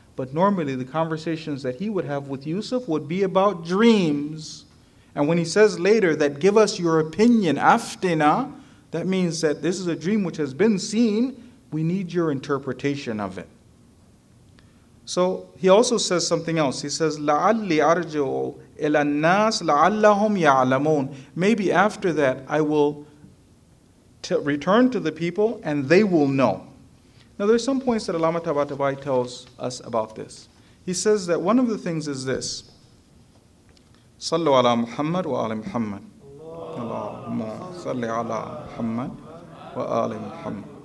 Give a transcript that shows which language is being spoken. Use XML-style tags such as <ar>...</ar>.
<en>But normally the conversations that he would have with Yusuf would be about dreams. And when he says later that give us your opinion, aftina, that means that this is a dream which has been seen. We need your interpretation of it. So he also says something else. He says,</en> <ar>لَعَلِّي أَرْجُعُ إِلَى النَّاسِ لَعَلَّهُمْ يَعْلَمُونَ.</ar> <en>Maybe after that I will return to the people and they will know. Now, there's some points that Allama Tabatabai tells us about this. He says that one of the things is this. Sallu ala Muhammad wa ali Muhammad. Allahumma salli ala Muhammad wa ali Muhammad.</en>